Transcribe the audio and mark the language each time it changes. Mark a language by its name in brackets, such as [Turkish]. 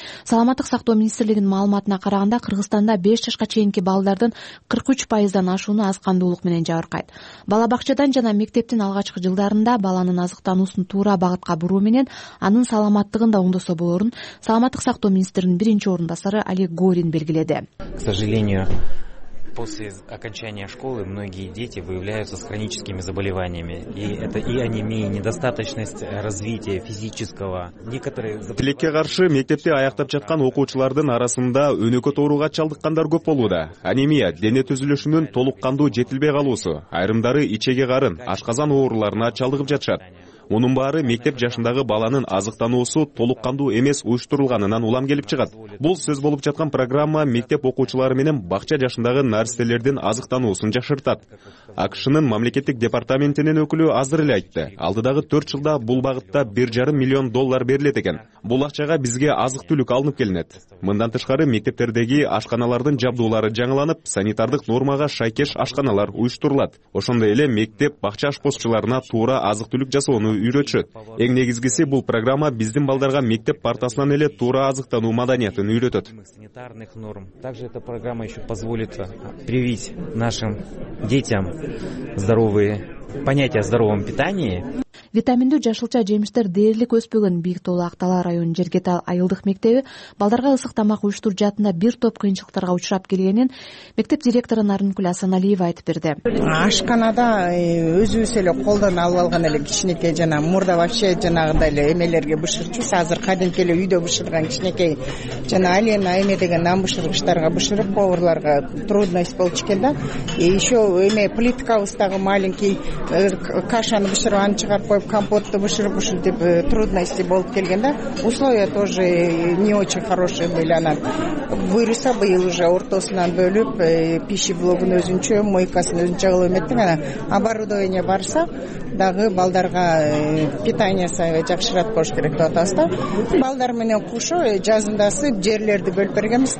[Kyrgyz] Саламаттык сактоо министрлигинин маалыматына караганда, Кыргызстанда 5 жашка чейинки балдардын 43% ашууну азыкандуулук менен жабыркайт. Бала бакчадан жана мектептин алгачкы жылдарында баланын азыктануусун туура багытка буруу менен анын саламаттыгын да оңдосо болорун саламаттык сактоо министринин биринчи орун басары Олег Горин белгиледи. [Russian] К сожалению, после окончания школы многие дети выявляются с хроническими заболеваниями. И это и анемия, недостаточность развития физического. Некоторые [Kyrgyz] тилекке каршы мектепте аяктап жаткан окуучулардын арасында өнөкөт ооруга чалдыккандар көп болууда. Анемия дене түзүлүшүнүн толуккандуу жетилбей калуусу. Айрымдары ичеги карын, ашказан ооруларына чалдыгып жатышат. Мунун баары мектеп жашындагы баланын азыктануусу толуккандуу эмес уюштурулганынан улам келип чыгат. Бул сөз болуп жаткан программа мектеп окуучулары менен бакча жашындагы нерселердин азыктануусун жашыртат. АКШнын мамлекеттик департаментинин өкүлү азыр эле айтты. Алдыдагы 4 жылда бул багытта 1,5 миллион доллар берилет экен. Бул акчага бизге азык-түлүк алынып келинет. Мындан тышкары мектептердеги ашканалардын жабдуулары жаңыланып, санитардык нормага шайкеш ашканалар уюштурулат. Ошондой эле мектеп бакча ашпозчуларына туура азык-түлүк жасоо үйрөтүшөт. Эң негизгиси бул программа биздин балдарга мектеп партасынан эле туура азыктануу маданиятын үйрөтөт. [Russian] Санитарных норм. Также эта программа еще позволит привить нашим детям здоровые понятия о здоровом питании. [Kyrgyz] Витаминдүү жашылча жемиштер дээрлик өспөгөн Бийик Тоолу Актала районунун Жергетал айылдык мектеби балдарга ысык тамак уюштуруу жаатында бир топ кыйынчылыктарга учурап келгенин мектеп директору Нарынкүл Асаналиева айтып берди. Ашканада өзүбүз эле колдон алып алган эле кичинекей жана мурда [Russian] вообще [Kyrgyz] жанагындай эле эмелерге бышырчубуз. Азыр кадимки эле үйдө бышырган кичинекей жана алена эме деген нан бышыргычтарга бышырып поварларга трудность болчу экен да. Еще эме плиткабыз дагы [Russian] маленький [Kyrgyz] кашаны бышырып аны чыгарып коюп компотту бышырып ушинтип [Russian] трудности [Kyrgyz] болуп келген да. [Russian] Условия тоже не очень хорошие были. [Kyrgyz] Анан буйруса быйыл уже ортосунан бөлүп [Russian] пища блогун [Kyrgyz] өзүнчө мойкасын өзүнчө кылып эметтик. Анан оборудование барса дагы балдарга питаниясы жакшыраат болуш керек деп атабыз да. Балдар менен кошо жазындасы жерлерди бөлүп бергенбиз.